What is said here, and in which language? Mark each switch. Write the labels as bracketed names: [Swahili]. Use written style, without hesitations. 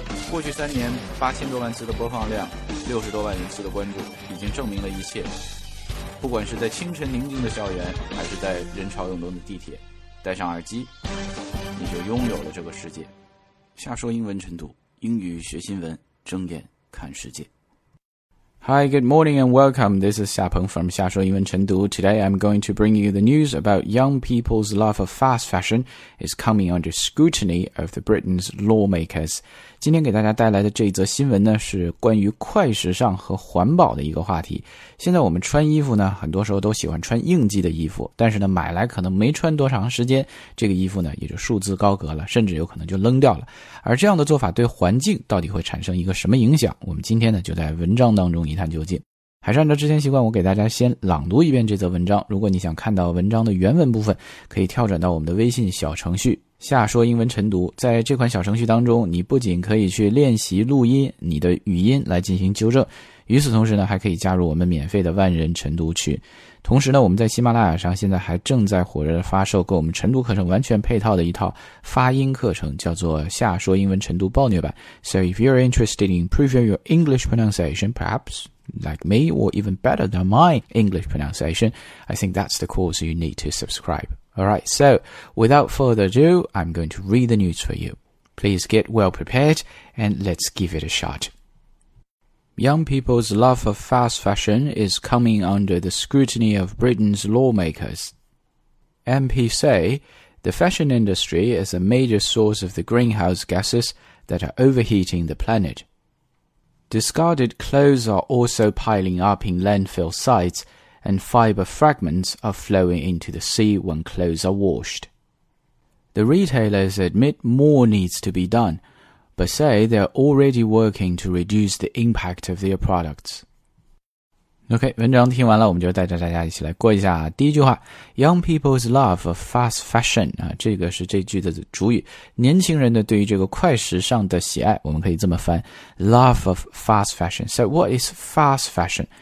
[Chinese] 过去三年，8000多万次的播放量，60多万人次的关注，已经证明了一切。不管是在清晨宁静的校园，还是在人潮涌动的地铁，戴上耳机，你就拥有了这个世界。下说英文晨读，英语学新闻，睁眼看世界。 [English] Hi, good morning and welcome. This is Xiapeng from 下说英文晨读. Today, I'm going to bring you the news about young people's love of fast fashion is coming under scrutiny of the Britain's lawmakers. [Chinese] 今天给大家带来的这一则新闻呢，是关于快时尚和环保的一个话题。现在我们穿衣服呢，很多时候都喜欢穿应季的衣服，但是呢，买来可能没穿多长时间，这个衣服呢，也就束之高阁了，甚至有可能就扔掉了。而这样的做法对环境到底会产生一个什么影响？我们今天呢，就在文章当中一探究竟。还是按照之前习惯，我给大家先朗读一遍这则文章。如果你想看到文章的原文部分，可以跳转到我们的微信小程序下说英文晨读。在这款小程序当中，你不仅可以去练习录音，你的语音来进行纠正，与此同时呢，还可以加入我们免费的万人晨读群。同时呢，我们在喜马拉雅上现在还正在火热发售跟我们晨读课程完全配套的一套发音课程，叫做下说英文晨读暴虐版。 [English] So if you're interested in improving your English pronunciation, perhaps like me or even better than my English pronunciation, I think that's the course you need to subscribe. Alright, so without further ado, I'm going to read the news for you. Please get well prepared and let's give it a shot. Young people's love of fast fashion is coming under the scrutiny of Britain's lawmakers. MPs say the fashion industry is a major source of the greenhouse gases that are overheating the planet. Discarded clothes are also piling up in landfill sites,and fibre fragments are flowing into the sea when clothes are washed. The retailers admit more needs to be done, but say they're already working to reduce the impact of their products. [Chinese] OK, 文章听完了，我们就带着大家一起来过一下第一句话。 [English] Young people's love of fast fashion, [Chinese] 这个是这句的主语。年轻人的对于这个快时尚的喜爱，我们可以这么翻。 [English] Love of fast fashion. So what is fast fashion?